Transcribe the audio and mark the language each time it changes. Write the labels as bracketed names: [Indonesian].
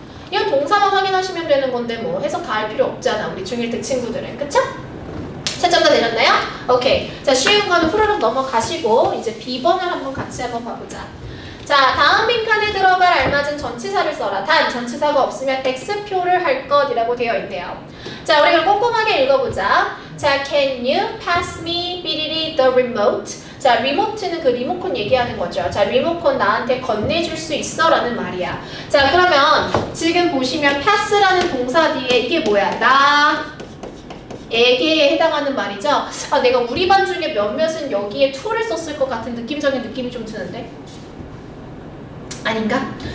[Korean] 이건 동사만 확인하시면 되는 건데 뭐 해석 다 할 필요 없잖아, 우리 중1 때 친구들은, 그쵸? 채점 다 내렸나요? 오케이. 자, 쉬운 거는 후루룩 넘어가시고 이제 비번을 한번 같이 한번 봐보자. 자, 다음 빈칸에 들어갈 알맞은 전치사를 써라. 단, 전치사가 없으면 X표를 할 것이라고 되어 있대요. 자, 우리 그럼 꼼꼼하게 읽어보자. [English] 자, can you pass me Billy the remote? [Korean] 자, 리모트는 그 리모컨 얘기하는 거죠. 자, 리모컨 나한테 건네줄 수 있어? 라는 말이야. 자, 그러면 지금 보시면 pass라는 동사 뒤에 이게 뭐야? 나에게에 해당하는 말이죠. 아, 내가 우리 반 중에 몇몇은 여기에 to를 썼을 것 같은 느낌적인 느낌이 좀 드는데? 아닌가?